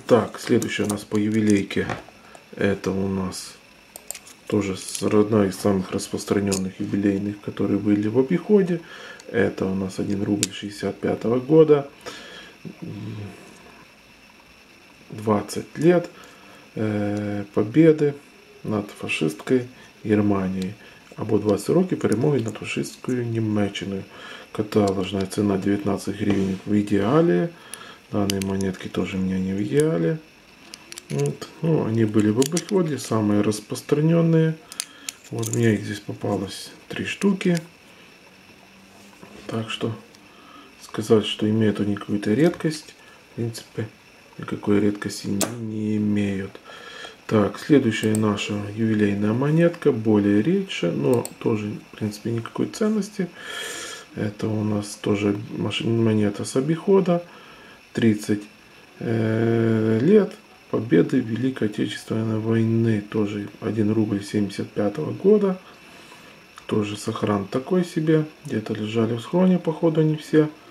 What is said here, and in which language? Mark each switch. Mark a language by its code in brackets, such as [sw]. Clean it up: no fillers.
[ru] Так, следующее у нас по ювелирке. Это у нас тоже одна из самых распространенных юбилейных, которые были в обиходе. Это у нас 1 рубль 65 года. 20 лет победы над фашистской Германией. [uk] Або 20 років перемоги над фашистською Німеччиною. Каталожна ціна 19 гривень в ідеалі. Дані монетки теж у мене не в ідеалі. От. Ну, вони були в обиході, самі розпространені. От у мене їх тут попалось 3 штуки. Так що сказати, що мають вони якусь рідкість, в принципі, ніякої рідкості не мають. [ru] Так, следующая наша ювелирная монетка, более редче, но тоже, в принципе, никакой ценности. Это у нас тоже монета с обихода, 30 лет победы Великой Отечественной войны, тоже 1 рубль 75 года, тоже сохран такой себе, где-то лежали в схроне, походу, не все.